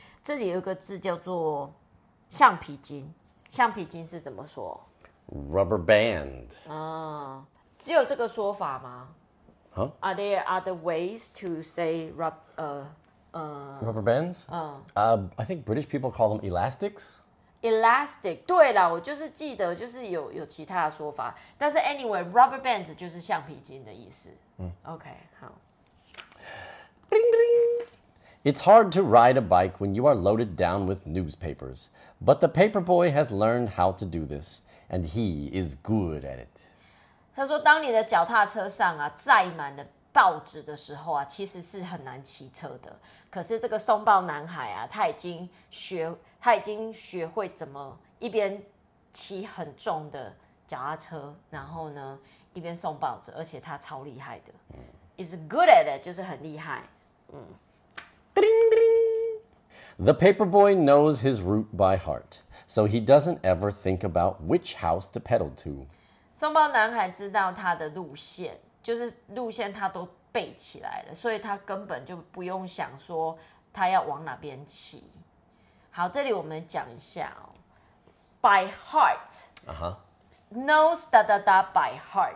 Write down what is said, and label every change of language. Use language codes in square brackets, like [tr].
[zh] 这里有一个字叫做橡皮筋，橡皮筋是怎么说？ [en] Rubber band、 [zh] 只有这个说法吗？ [en] Huh? Are there other ways to say rubber bands?、I think British people call them elastics. [zh] Elastic, 对啦，我就是记得就是 有其他的说法，但是 anyway, [en] rubber bands [zh] 就是橡皮筋的意思。 Mm. [en] Okay, 好。 [zh] 叮叮。 [en] It's hard to ride a bike when you are loaded down with newspapers, but the paper boy has learned how to do this, and he is good at it. [zh] 他说当你的脚踏车上啊载满了报纸的时候啊，其实是很难骑车的，可是这个松报男孩啊，他已经学会怎么一边骑很重的脚踏车，然后呢一边送报纸，而且他超厉害的。 [en] It's good at it, [zh] 就是很厉害。叮叮。 [en] The paper boy knows his route by heart, so he doesn't ever think about which house to pedal to. [zh] 送报男孩知道他的路线，就是路线他都背起来了，所以他根本就不用想说他要往哪边骑。好，这里我们讲一下、 [en] By heart、 uh-huh. Knows da da da by heart、